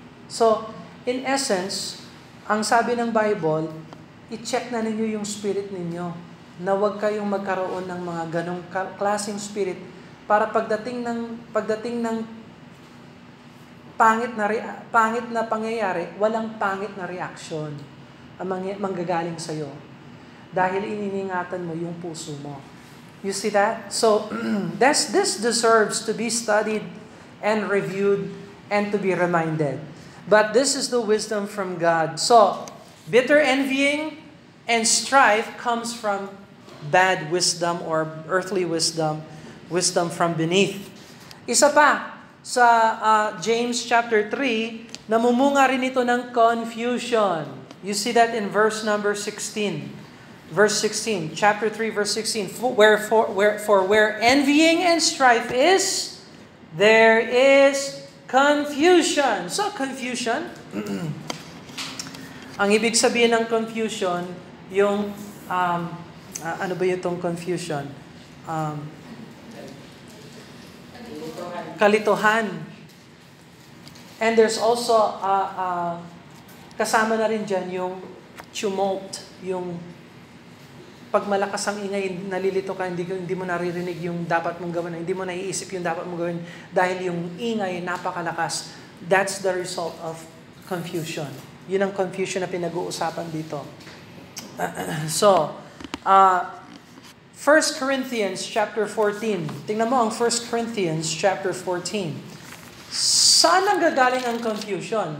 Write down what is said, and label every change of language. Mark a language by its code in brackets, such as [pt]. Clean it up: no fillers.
[tl] So, in essence, ang sabi ng Bible, i-check na ninyo yung spirit ninyo na huwag kayong magkaroon ng mga ganong klaseng spirit para pagdating ng pangit na pangyayari, walang pangit na reaction ang manggagaling sa iyo dahil iniingatan mo yung puso mo. [en] You see that? So this deserves to be studied and reviewed and to be reminded. But this is the wisdom from God. So, bitter envying and strife comes from bad wisdom or earthly wisdom, wisdom from beneath. [tl] Isa pa, sa James chapter 3, namumunga rin ito ng confusion. [en] You see that in verse number 16. Verse 16, chapter 3, verse 16. For where envying and strife is, there is confusion. So, confusion. [tl] Ang ibig sabihin ng confusion, yung, ano ba yung confusion? Kalituhan. [en] And there's also, [tl] kasama na rin dyan yung tumult, yung pag malakas ang ingay, nalilito ka, hindi mo naririnig yung dapat mong gawin, hindi mo naiisip yung dapat mong gawin dahil yung ingay napakalakas. [en] That's the result of confusion. [tl] Yun ang confusion na pinag-uusapan dito. So, 1 Corinthians chapter 14. Tingnan mo ang 1 Corinthians chapter 14. Saan nanggagaling ang confusion?